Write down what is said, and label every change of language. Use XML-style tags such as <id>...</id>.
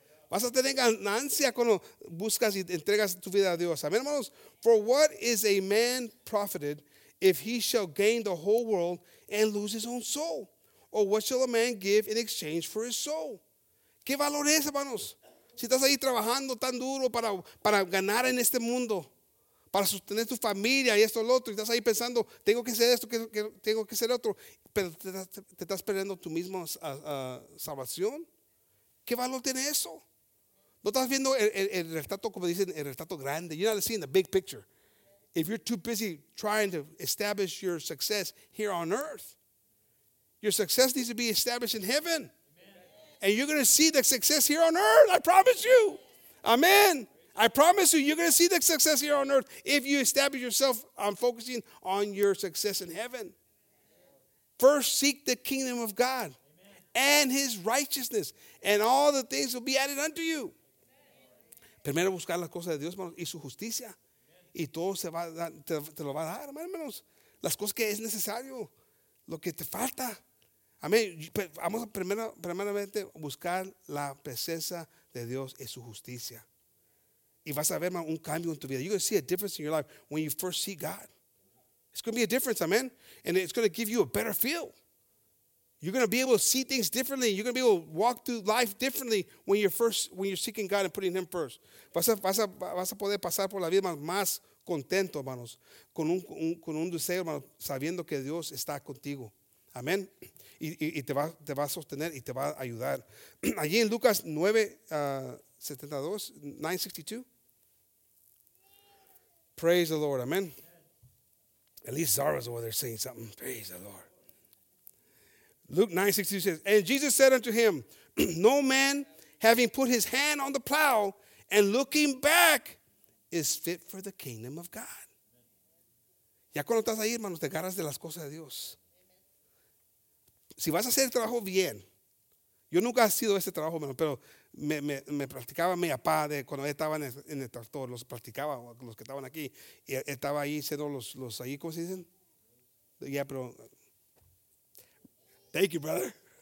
<es>Vas a tener ganancia cuando buscas y entregas tu vida a Dios. Amén, hermanos.</es> <en>For what is a man profited if he shall gain the whole world and lose his own soul? Or what shall a man give in exchange for his soul?</en> <es>¿Qué valor es, hermanos? Si estás ahí trabajando tan duro para ganar en este mundo, para sostener tu familia y esto y lo otro, y estás ahí pensando, tengo que hacer esto, que tengo que hacer otro, pero te estás perdiendo tu misma salvación. ¿Qué valor tiene eso? ¿No estás viendo el retrato, como dicen, el retrato grande?</es> <en>You're not seeing the big picture. If you're too busy trying to establish your success here on earth, your success needs to be established in heaven. Amen. And you're going to see the success here on earth, I promise you. Amen. I promise you, you're going to see the success here on earth if you establish yourself on focusing on your success in heaven. First, seek the kingdom of God and his righteousness, and all the things will be added unto you.</en> <es>Primero buscar las cosas de Dios y su justicia, y todo se va a dar, te lo va a dar, hermanos. Las cosas que es necesario, lo que te falta. Amén. Vamos a primeramente buscar la presencia de Dios y su justicia. Y vas a ver un cambio en tu vida.</es> <en>You're going to see a difference in your life when you first see God. It's going to be a difference, amen. And it's going to give you a better feel. You're going to be able to see things differently. You're going to be able to walk through life differently when you're seeking God and putting him first.</en> <es>Vas a poder pasar por la vida más contento, hermanos, con un deseo, hermanos, sabiendo que Dios está contigo. Amén. Y te va a sostener y te va a ayudar. Allí en Lucas 9:72.</es> <en>Praise the Lord. Amen. At least Zara's over there saying something. Praise the Lord. Luke 9:62 says, and Jesus said unto him, no man having put his hand on the plow and looking back, is fit for the kingdom of God.</en> <es>Ya cuando estás ahí, hermano, te agarras de las cosas de Dios. Si vas a hacer el trabajo bien, yo nunca he sido ese trabajo, hermano, pero me practicaba mi papá de cuando estaba en el tractor, los practicaba, los que estaban aquí, y estaba ahí siendo los ahí, ¿cómo se dicen? Ya, yeah, pero.</es> <en>Thank you, brother.</en>